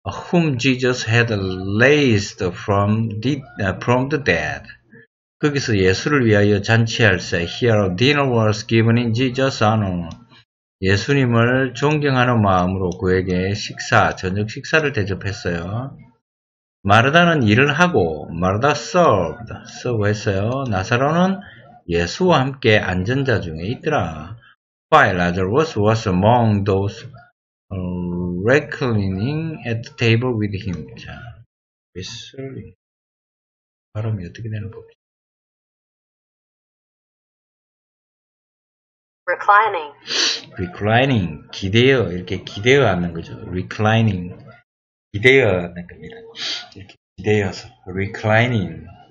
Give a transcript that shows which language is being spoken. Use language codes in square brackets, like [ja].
[en] whom Jesus had raised from the dead [ko] 거기서 예수를 위하여 잔치할 새 [en] Here dinner was given in Jesus' honor [ko] 예수님을 존경하는 마음으로 그에게 식사, 저녁 식사를 대접했어요. 마르다는 일을 하고, 마르다 served 했어요. 나사로는 예수와 함께 앉은 자 중에 있더라. [en] While Lazarus was among those reclining at the table with him. 자, whistling. [ko] 발음이 어떻게 되는 법이죠? [en] Reclining, [ko] 기대어, 이렇게 기대어 앉는 거죠. Reclining, 기대어 앉는 겁니다. 이렇게 기대어서, reclining.